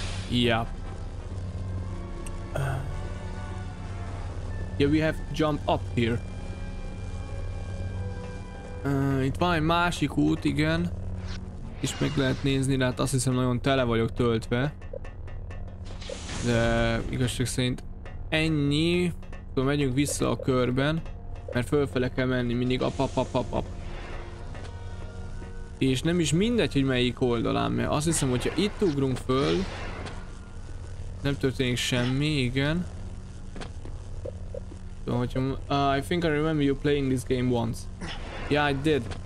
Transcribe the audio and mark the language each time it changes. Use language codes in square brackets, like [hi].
[en] Yeah. Yeah, we have to jump up here. [hu] Itt van egy másik út, igen. És meg lehet nézni, de hát azt hiszem nagyon tele vagyok töltve. De igazság szerint ennyi. Megyünk vissza a körben. Mert fölfele kell menni mindig ap. És nem is mindegy, hogy melyik oldalán, mert azt hiszem, hogyha itt ugrunk föl, nem történik semmi, igen. [en] I think I remember you playing this game once. Yeah, I did.